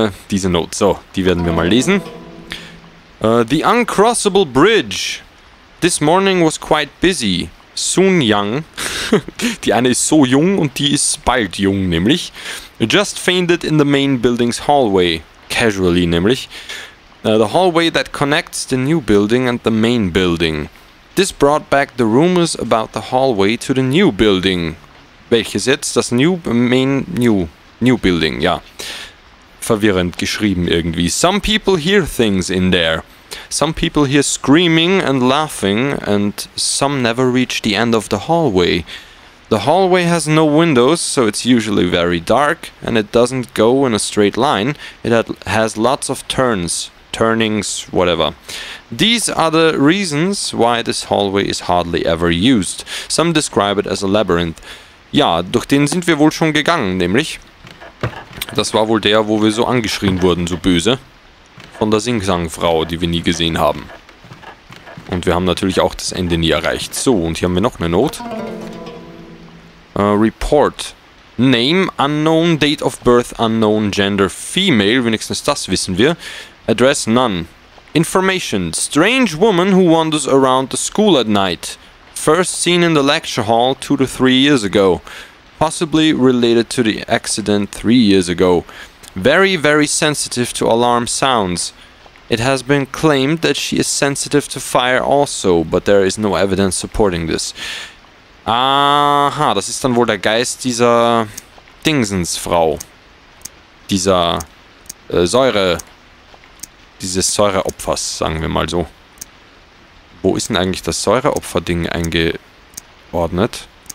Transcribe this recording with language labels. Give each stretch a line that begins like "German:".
German: diese Note. So, die werden wir mal lesen.
English: The Uncrossable Bridge. This morning was quite busy. Soon young.
German: Die eine ist so jung und die ist bald jung, nämlich.
English: Just fainted in the main building's hallway. Casually,
German: nämlich.
English: The hallway that connects the new building and the main building. This brought back the rumors about the hallway to the new building.
German: Welches jetzt? Das
English: new, main, new, new building,
German: ja. Verwirrend geschrieben irgendwie.
English: Some people hear things in there. Some people hear screaming and laughing, and some never reach the end of the hallway. The hallway has no windows, so it's usually very dark, and it doesn't go in a straight line. It has lots of turns, turnings, whatever. These are the reasons why this hallway is hardly ever used. Some describe it as a labyrinth.
German: Ja, durch den sind wir wohl schon gegangen, nämlich. Das war wohl der, wo wir so angeschrien wurden, so böse. Von der Sing-Sang-Frau, die wir nie gesehen haben. Und wir haben natürlich auch das Ende nie erreicht. So, und hier haben wir noch eine Note.
English: Report. Name unknown, date of birth unknown, gender female.
German: Wenigstens das wissen wir.
English: Address none. Information. Strange woman who wanders around the school at night. First seen in the lecture hall 2 to 3 years ago. Possibly related to the accident 3 years ago. Very, very sensitive to alarm sounds. It has been claimed that she is sensitive to fire also, but there is no evidence supporting this.
German: Aha, das ist dann wohl der Geist dieser Dingsensfrau. Dieser Säure. Dieses Säureopfers, sagen wir mal so. Wo ist denn eigentlich das Säureopfer-Ding eingeordnet?